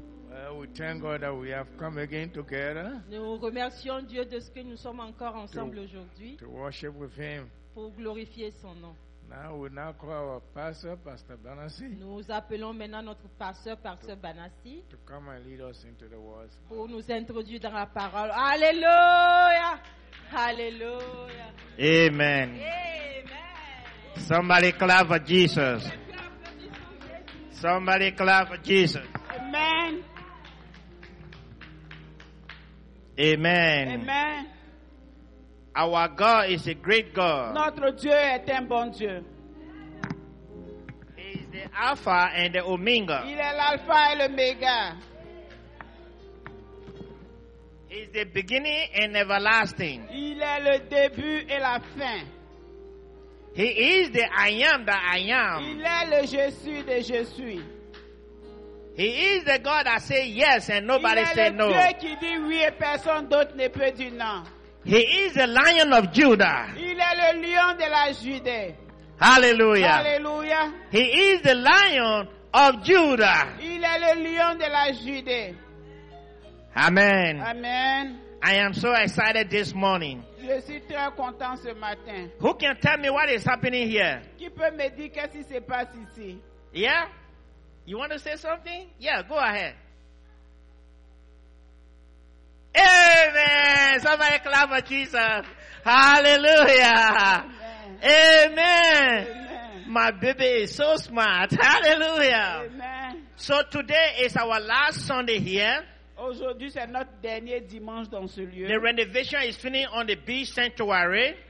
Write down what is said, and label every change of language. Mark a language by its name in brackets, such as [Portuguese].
[English] Well, we thank God that we have come again together. [French] Nous remercions Dieu de ce que nous sommes encore ensemble aujourd'hui. [English] To worship with Him. [French] Pour glorifier son nom. [English] Now we now call our pastor, Pastor Banasi. [French] Nous appelons maintenant notre pasteur, Pasteur Banasi. [English] To come and lead us into the words. [French] Pour nous introduire dans la parole. Alléluia. Alléluia. [English] Amen. Amen. Somebody clap for Jesus. Somebody clap for Jesus. Amen. Amen. Amen. Our God is a great God. [French] Notre Dieu est un bon Dieu. [English] He is the Alpha and the Omega. [French] Il est l'Alpha et l'Oméga. [English] He is the beginning and everlasting. [French] Il est le début et la fin. [English] He is the I am that I am. [French] Il est le je suis de je suis. [English] He is the God that says yes and nobody says no. [French] Il est le Dieu qui dit oui et personne d'autre ne peut dire non. [English] He is the Lion of Judah. [French] Il est le lion de la Judée. [English] Hallelujah. Hallelujah. He is the Lion of Judah. [French] Il est le lion de la Judée. [English] Amen. Amen. I am so excited this morning. [French] Je suis très content ce matin. [English] Who can tell me what is happening here? [French] Qui peut me dire qu'est-ce qui se passe ici? [English] Yeah? You want to say something? Yeah, go ahead. Amen. Somebody clap for Jesus. Hallelujah. Amen. Amen. Amen. My baby is so smart. Hallelujah. Amen. So today is our last Sunday here. [French] Aujourd'hui, c'est notre dernier dimanche dans ce lieu. [English] The renovation is finished on the beach sanctuary.